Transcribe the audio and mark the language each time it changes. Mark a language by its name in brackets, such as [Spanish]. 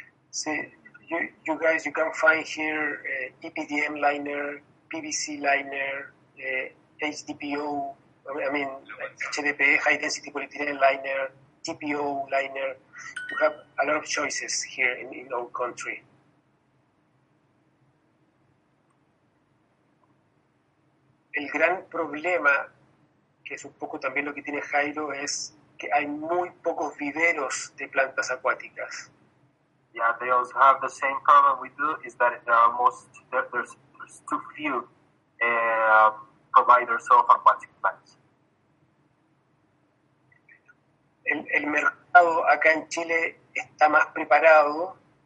[English] See, you guys, you can find here EPDM liner, PVC liner, HDPO. I mean, HDPE, high density polyethylene liner, TPO liner. We have a lot of choices here in our country. [Spanish] El gran problema, que es un poco también lo que tiene Jairo, es que hay muy pocos viveros de plantas acuáticas. [English] Yeah, they also have the same problem we do, is that there's too few providers of aquatic plants. [Spanish] El mercado acá en Chile está más preparado.